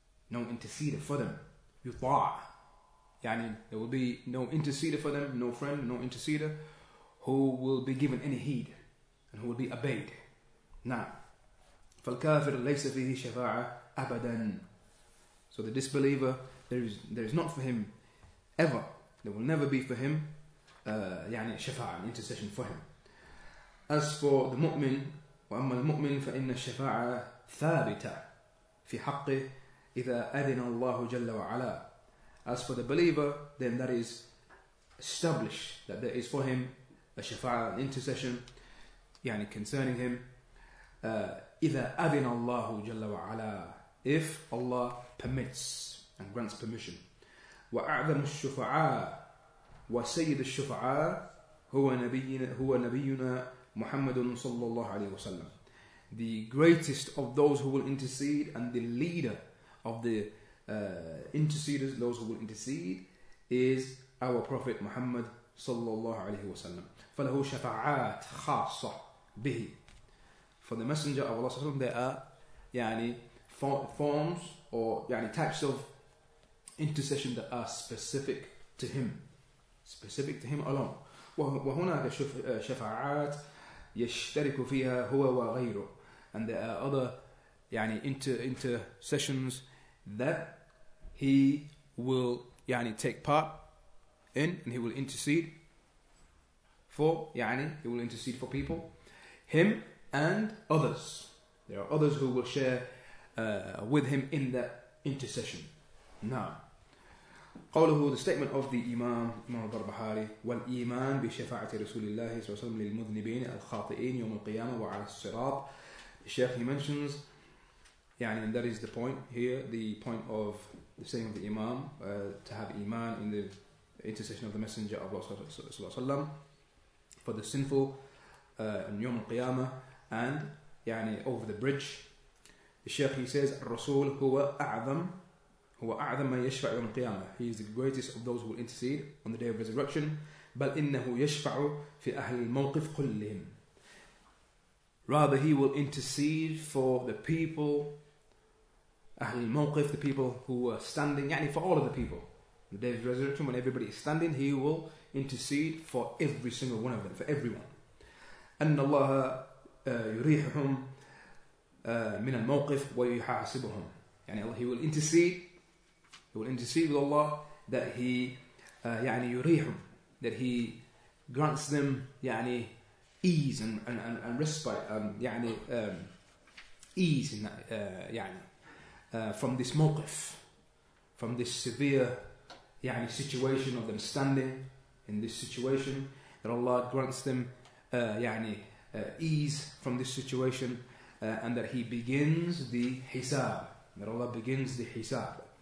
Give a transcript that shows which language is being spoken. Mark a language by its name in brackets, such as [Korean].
[English] No interceder for them. يطاع, يعني there will be no interceder for them, no friend, no interceder, who will be given any heed, and who will be obeyed. [Arabic] نعم. فالكافر ليس فيه شفاعة أبداً. [English] So the disbeliever, there is not for him ever. There will never be for him يعني شفاعة, an intercession for him. As for the mu'min, [Arabic] وأما المؤمن فإن الشفاعة ثابتة في حقه إذا أذن الله جل وعلا. [English] As for the believer, then that is established that there is for him a shafa'a, an intercession, يعني concerning him. [Arabic] إذا أذن الله جل وعلا, [English] if Allah permits and grants permission. [Arabic] وأعظم الشفعاء وسيد الشفعاء هو نبينا محمد صلى الله عليه وسلم. [English] The greatest of those who will intercede and the leader of the interceders, those who will intercede, is our Prophet Muhammad صلى الله عليه وسلم. [Arabic] فله شفعات خاصة به. [English] For the Messenger of Allah صلى الله عليه وسلم, there are يعني forms or يعني types of intercession that are specific to him. Specific to him alone. [Arabic] وهناك شفعات يشترك فيها هو وغيره. [English] And there are other يعني intercessions that he will يعني take part in, and he will intercede for يعني he will intercede for people, him and others. There are others who will share with him in that intercession. [Arabic] Now, قوله, [English] the statement of the Imam, Imam al-Barbahari, [Arabic] وَالْإِيمَانِ بِشَفَاعَةِ رَسُولِ اللَّهِ صَلَّى اللَّهُ عَلَيْهِ وَسَلَّمَ لِلْمُذْنِبِينَ الْخَاطِئِينَ يَوْمَ الْقِيَامَةِ وَعَلَى الصِّرَاطِ. [English] Sheikh, he mentions, يعني, and that is the point here, the point of the saying of the Imam, to have Iman in the intercession of the Messenger of Allah for the sinful on Yawm al-Qiyamah and يعني, over the bridge. The Sheikh, he says, [Arabic] الرسول هو أعظم من يشفع يوم القيامة. [English] He is the greatest of those who will intercede on the day of resurrection. [Arabic] بل إنه يشفع في أهل الموقف كلهم. [English] Rather, he will intercede for the people, [Arabic] أهل الموقف, [English] the people who are standing, يعني for all of the people. The day of resurrection, when everybody is standing, he will intercede for every single one of them, for everyone. [Arabic] أن الله يريحهم من الموقف ويحاسبهم. [English] يعني Allah, he will intercede with Allah that he يعني يريحهم, that he grants them يعني ease and respite, يعني ease in that, يعني from this موقف, from this severe يعني situation of them standing in this situation, that Allah grants them يعني ease from this situation, and that He begins the hisab, that Allah begins the hisab,